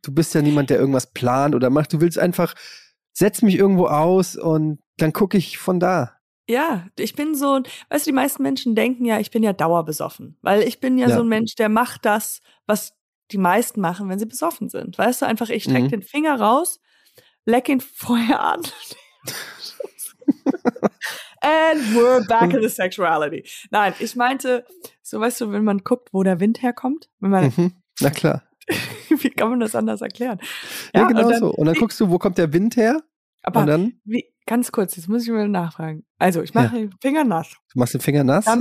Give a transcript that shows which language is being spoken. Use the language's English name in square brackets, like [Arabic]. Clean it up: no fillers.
[German] Du bist ja niemand, der irgendwas plant oder macht. Du willst einfach, setz mich irgendwo aus und dann gucke ich von da. Ja, ich bin so, weißt du, die meisten Menschen denken ja, ich bin ja dauerbesoffen. Weil ich bin ja so ein Mensch, der macht das, was die meisten machen, wenn sie besoffen sind. Weißt du, einfach ich strecke den Finger raus, leck ihn vorher an. [English] And we're back in the sexuality. [German] Nein, ich meinte, so weißt du, wenn man guckt, wo der Wind herkommt, wenn man. Mhm. Na klar. Wie kann man das anders erklären? Ja, ja genau und dann, so. Und dann guckst du, wo kommt der Wind her? Aber und dann, wie, ganz kurz, jetzt muss ich mal nachfragen. Also, ich mache den Finger nass. Du machst den Finger nass, dann